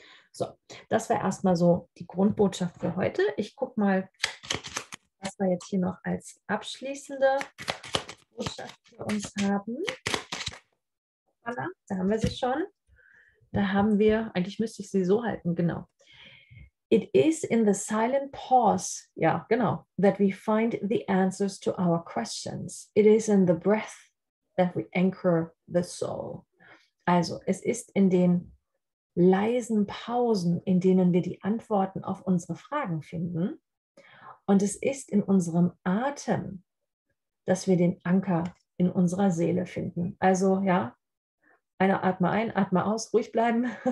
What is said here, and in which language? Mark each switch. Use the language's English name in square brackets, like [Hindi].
[German] So, das war erstmal so die Grundbotschaft für heute. Ich gucke mal, was wir jetzt hier noch als abschließende Botschaft für uns haben. Voilà, da haben wir sie schon. Da haben wir, eigentlich müsste ich sie so halten, genau. [English] It is in the silent pause, [German] ja, genau, [English] that we find the answers to our questions. It is in the breath that we anchor the soul. [German] Also, es ist in den leisen Pausen, in denen wir die Antworten auf unsere Fragen finden. Und es ist in unserem Atem, dass wir den Anker in unserer Seele finden. Also, ja, einer atme ein, atme aus, ruhig bleiben.